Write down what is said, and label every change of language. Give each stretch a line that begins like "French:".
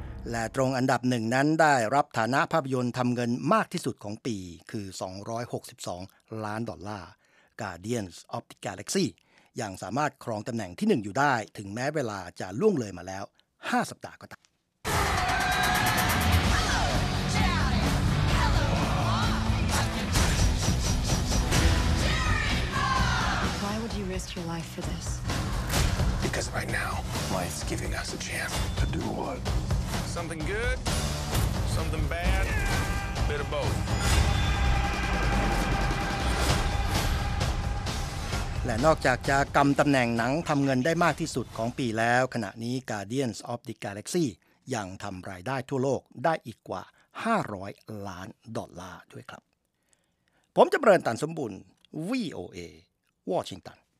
Thai: และตรงอันดับ1นั้นได้รับฐานะภาพยนตร์ทำเงินมากที่สุดของปีคือ262ล้านดอลลาร์ Guardians of the Galaxy ยังสามารถครองตำแหน่งที่1อยู่ได้ถึงแม้เวลาจะล่วงเลยมาแล้ว5สัปดาห์ก็ตาม
English: Because right now, life's giving us a chance to do what? Something good, something bad, a bit of both.
Thai: และนอกจากจะกำตำแหน่งหนังทำเงินได้มากที่สุดของปีแล้วขณะนี้ Guardians of the Galaxy ยังทำรายได้ทั่วโลกได้อีกกว่า500ล้านดอลลาร์ด้วยครับผมจำเริญตันสมบูรณ์ VOA Washington